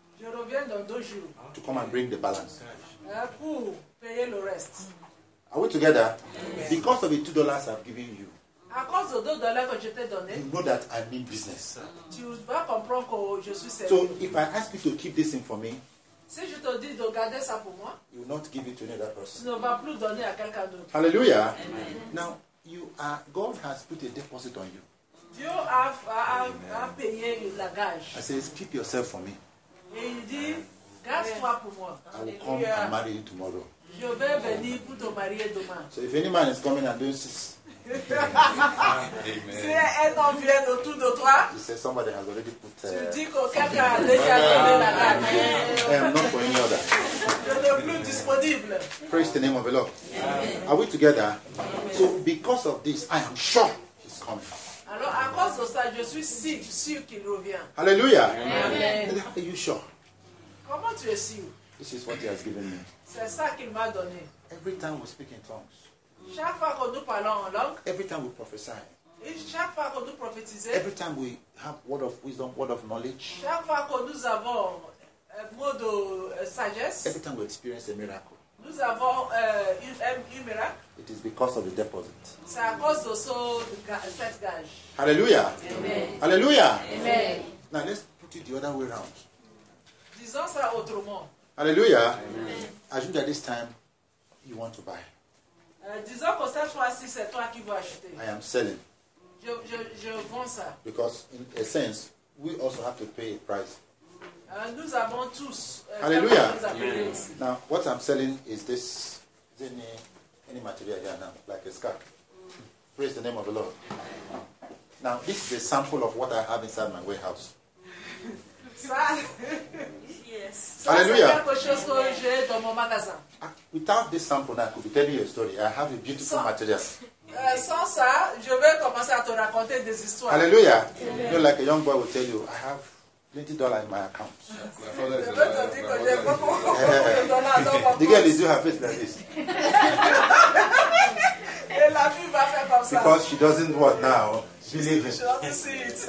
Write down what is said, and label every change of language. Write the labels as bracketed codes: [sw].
[fr] Je reviens dans 2 jours. [en] To come and bring the balance. [fr] Pour payer le reste. [en] Are we together? Yes. Because of the $2 I've given you. [fr] À cause de $2 que je t'ai donné. [en] You know that I mean business. [fr] Tu vas comprendre que je suis sérieux. [en] So if I ask you to keep this thing for me. [fr] Si je te dis de garder ça pour moi. [en] You will not give it to another person. [fr] Tu ne vas plus donner à quelqu'un d'autre. [en] Hallelujah. Amen. Now you are. God has put a deposit on you. [fr] Dieu a payé la gage. [en] I says keep yourself for me. [fr] Et il dit. [en] Yes. I will come and marry you tomorrow. [fr] Je vais venir pour te marier demain. [en] So if any man is coming and doing this, amen. [fr] Si un homme vient autour de toi, [en] he says somebody has already put. [fr] Tu dis que quelqu'un a déjà donné la [en] gage. I am not for any other. [fr] Je ne suis plus disponible. [en] Praise the name of the Lord. Amen. Are we together? Amen. So because of this, I am sure he's coming. [fr] Alors à cause de ça, je suis sûr qu'il revient. [en] Hallelujah. Amen. And are you sure? [fr] Comment tu es sûr? [en] This is what he has given me. [fr] C'est ça qu'il m'a donné. [en] Every time we speak in tongues. [fr] Chaque fois que nous parlons en langue. [en] Every time we prophesy. [fr] Chaque fois que nous prophétisons. [en] Every time we have word of wisdom, word of knowledge. [fr] Chaque fois que nous avons mot de sagesse. [en] Every time we experience a miracle. [fr] Nous avons un miracle. [en] It is because of the deposit. [fr] C'est à cause de cette gage. [en] Hallelujah. Amen. Hallelujah. Amen. Now let's put it the other way around. [fr] Disons ça autrement. [en] Hallelujah. Amen. Ajoute that this time you want to buy. [fr] Disons que cette fois-ci c'est toi qui veux acheter. [en] I am selling. [fr] Je vends ça. [en] Because in a sense, we also have to pay a price. [fr] Nous avons tous. [en] Hallelujah. Amen. Now, what I'm selling is this. Is there any material here now? Like a scarf. Praise the name of the Lord. Now, this is a sample of what I have inside my warehouse. Yes. Hallelujah. Hallelujah. Without this sample, I could be telling you a story. I have a beautiful material. [fr] Sans ça, je vais commencer à te raconter des histoires. [en] Hallelujah. Amen. You know, like a young boy will tell you, I have $20 in my account. The girl is doing her face like this. Because she doesn't what now? Believe it. She doesn't see it.